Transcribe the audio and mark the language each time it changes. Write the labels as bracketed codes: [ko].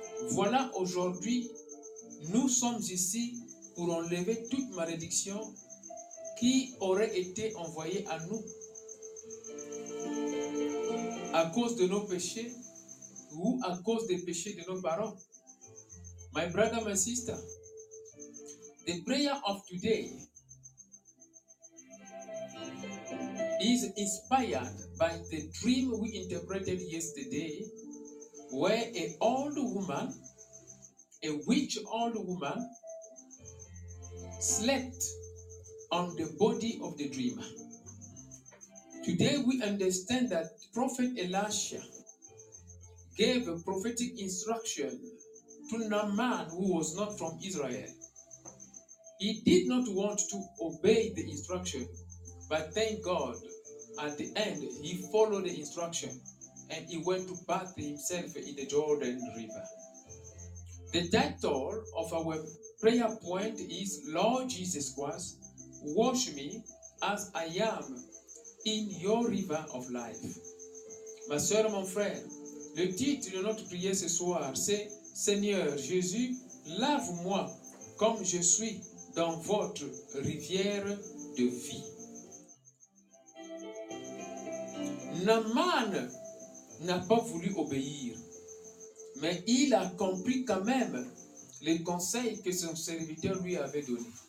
[fr] Voilà aujourd'hui, nous sommes ici pour enlever toute malédiction qui aurait été envoyée à nous à cause de nos péchés ou à cause des péchés de nos parents. [en] My brother, my sister, the prayer of today is inspired by the dream we interpreted yesterday, where an old woman, a witch old woman, slept on the body of the dreamer. Today we understand that prophet Elisha gave a prophetic instruction to Naaman, who was not from Israel. He did not want to obey the instruction, but thank God, at the end, he followed the instruction and he went to bathe himself in the Jordan River. The title of our prayer point is, Lord Jesus Christ, wash me as I am in your river of life. [fr] Ma soeur, mon frère, le titre de notre prière ce soir, c'est Seigneur Jésus, lave-moi comme je suis dans votre rivière de vie. Naaman n'a pas voulu obéir, mais il a compris quand même les conseils que son serviteur lui avait donnés.